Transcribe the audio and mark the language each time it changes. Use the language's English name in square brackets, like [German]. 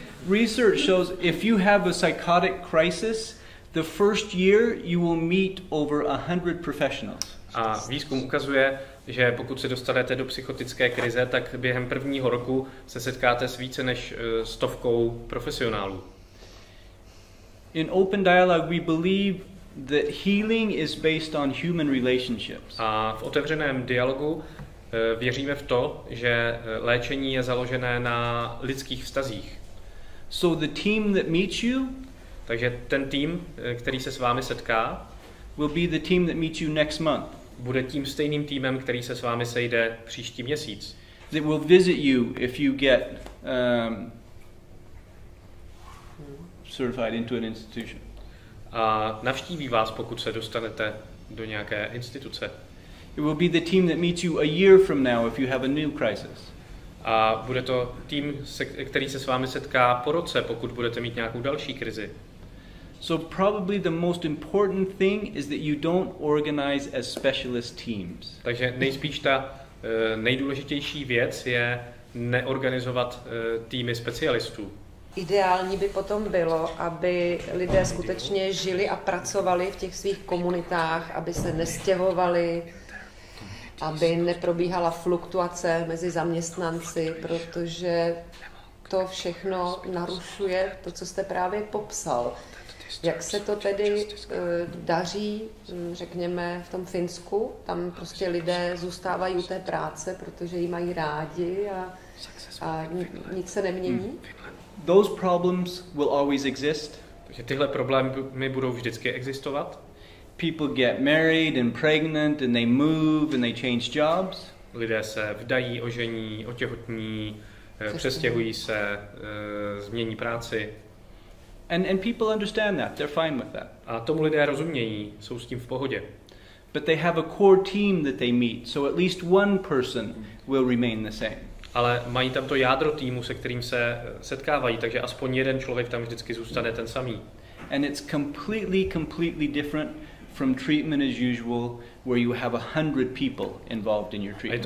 [English] Research shows if you have a psychotic crisis, the first year you will meet over 100 professionals. [Czech] A výzkum ukazuje, že pokud se dostanete do psychotické krize, tak během prvního roku se setkáte s více než stovkou profesionálů. [English] In open dialogue we believe that healing is based on human relationships. [Czech] A v otevřeném dialogu věříme v to, že léčení je založené na lidských vztazích. [English] So the team that meets you, [Czech] takže ten tým, který se s vámi setká, [English] will be the team that meets you next month. [Czech] Bude tím stejným týmem, který se s vámi sejde příští měsíc. [English] They will visit you if you get certified into an institution. [Czech] a navštíví vás, pokud se dostanete do nějaké instituce. [English] It will be the team that meets you a year from now if you have a new crisis. [Czech] A bude to tým, který se s vámi setká po roce, pokud budete mít nějakou další krizi. [English] So probably the most important thing is that you don't organize as specialist teams. [Czech] Takže nejspíš ta nejdůležitější věc je neorganizovat týmy specialistů. Ideální by potom bylo, aby lidé skutečně žili a pracovali v těch svých komunitách, aby se nestěhovali, aby neprobíhala fluktuace mezi zaměstnanci, protože to všechno narušuje to, co jste právě popsal. Jak se to tedy daří, řekněme, v tom Finsku? Tam prostě lidé zůstávají u té práce, protože ji mají rádi a nic se nemění? [English] Those problems will always exist. [Czech] Takže tyhle problémy budou vždycky existovat. [English] People get married and pregnant and they move and they change jobs. [Czech] Lidé se vdají, ožení, otěhotní, přestěhují se, změní práci. [English] And people understand that. They're fine with that. [Czech] A tomu lidé rozumějí, jsou s tím v pohodě. [English] But they have a core team that they meet, so at least one person will remain the same. [Czech] Ale mají tam to jádro týmu, se kterým se setkávají, takže aspoň jeden člověk tam vždycky zůstane ten samý. [English] And it's completely different from treatment as usual, where you have 100 people involved in your treatment.